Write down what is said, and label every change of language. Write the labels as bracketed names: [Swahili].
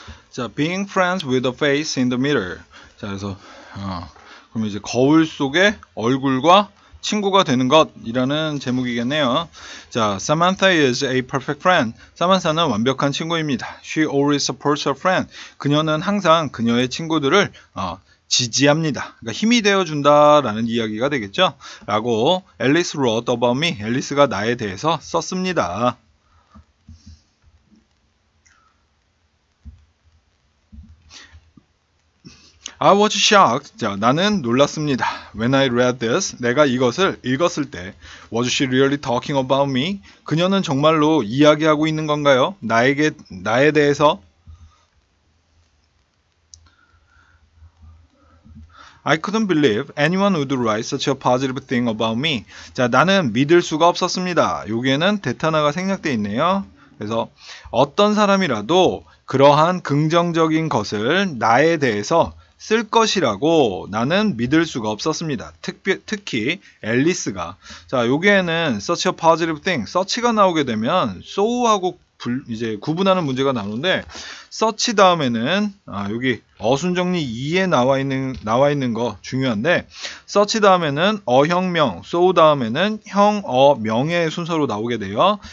[Korean] 자, [English] being friends with a face in the mirror. [Korean] 자, 그래서 그럼 이제 거울 속에 얼굴과 친구가 되는 것이라는 제목이겠네요. 자, [English] Samantha is a perfect friend. [Korean] 사만사는 완벽한 친구입니다. [English] She always supports her friend. [Korean] 그녀는 항상 그녀의 친구들을 지지합니다. 그러니까 힘이 되어준다라는 이야기가 되겠죠. 라고 [English] Alice wrote about me. [Korean] 앨리스가 나에 대해서 썼습니다. 자, 나는 놀랐습니다. [English] When I read this, [Korean] 내가 이것을 읽었을 때, [English] Was she really talking about me? [Korean] 그녀는 정말로 이야기하고 있는 건가요? 나에 대해서? [English] I couldn't believe anyone would write such a positive thing about me. [Korean] 자, 나는 믿을 수가 없었습니다. 여기에는 대타나가 생략되어 있네요. 그래서 어떤 사람이라도 그러한 긍정적인 것을 나에 대해서 쓸 것이라고 나는 믿을 수가 없었습니다. 특히 앨리스가. 자, 여기에는 [English] such a positive thing, [Korean] such가 나오게 되면 so하고 이제 구분하는 문제가 나오는데 such 다음에는 여기 어순정리 2에 나와 있는 거 중요한데 such 다음에는 어형명, so 다음에는 형어 명의 순서로 나오게 돼요.